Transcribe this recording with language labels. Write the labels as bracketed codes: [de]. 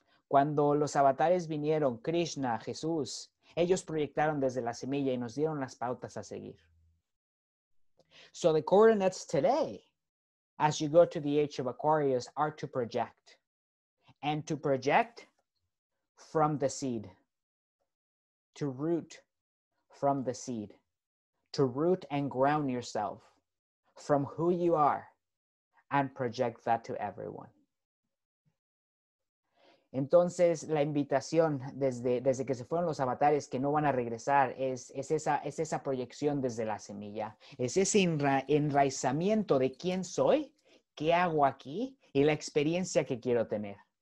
[es] Cuando los avatares vinieron, Krishna, Jesús, ellos proyectaron desde la semilla y nos dieron las pautas a seguir. [en] So the coordinates today, as you go to the age of Aquarius, are to project. And to project from the seed. To root from the seed. To root and ground yourself from who you are and project that to everyone. [es] Entonces, la invitación desde que se fueron los avatares que no van a regresar es esa proyección desde la semilla. Es ese enraizamiento de quién soy, qué hago aquí y la experiencia que quiero tener.